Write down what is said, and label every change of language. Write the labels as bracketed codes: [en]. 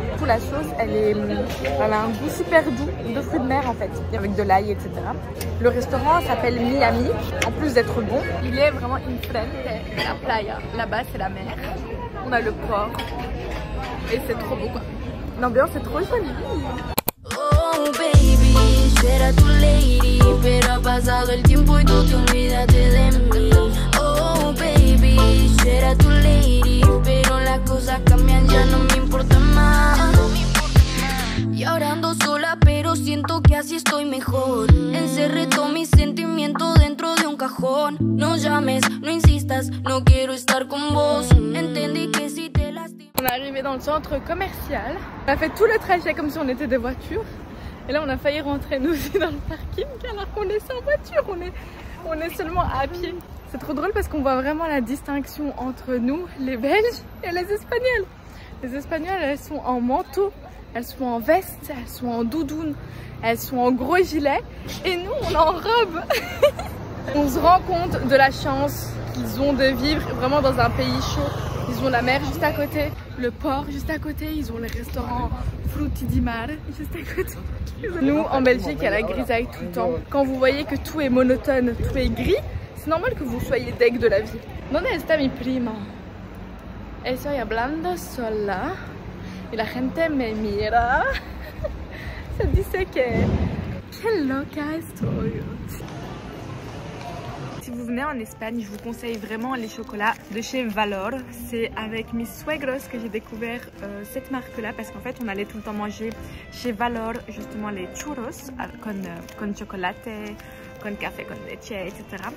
[fr] pour la sauce, elle a un goût super doux de fruits de mer en fait, avec de l'ail, etc. Le restaurant s'appelle Miami, en plus d'être bon. Il est vraiment une plaine, la playa. Là-bas, c'est la mer. On a le port. Et c'est trop beau, quoi. L'ambiance est trop jolie. [es] Oh baby, je era tu lady, pero ha pasado el tiempo y tú te olvidaste de mí. Oh baby, je era tu lady, pero las cosas cambian, ya no me importa más. Y ahora ando sola, pero siento que así estoy mejor. Encerré todo mi sentimiento dentro de un cajón. No llames, no insistas, no quiero estar con vos. Entendí que si te lastimas. [fr] On est arrivé dans le centre commercial. On a fait tout le trajet comme si on était des voitures. Et là, on a failli rentrer nous aussi dans le parking alors qu'on est sans voiture. On est seulement à pied. C'est trop drôle parce qu'on voit vraiment la distinction entre nous, les Belges, et les Espagnols. Les Espagnols, elles sont en manteau, elles sont en veste, elles sont en doudoune, elles sont en gros gilet. Et nous, on est en robe. On se rend compte de la chance qu'ils ont de vivre vraiment dans un pays chaud. Ils ont la mer juste à côté, le port juste à côté, ils ont les restaurants Frutti di Mar juste à côté. Nous, en Belgique, il y a la grisaille tout le temps. Quand vous voyez que tout est monotone, tout est gris, c'est normal que vous soyez deg de la vie. [es] Donde está mi prima? Estoy hablando sola. Y la gente me mira. Se dice que... Qué loca estoy. [fr] vous venez en Espagne, je vous conseille vraiment les chocolats de chez Valor. C'est avec mes suegros que j'ai découvert cette marque-là, parce qu'en fait, on allait tout le temps manger chez Valor, justement, les churros [es] con chocolate, con café, con leche, [fr] etc.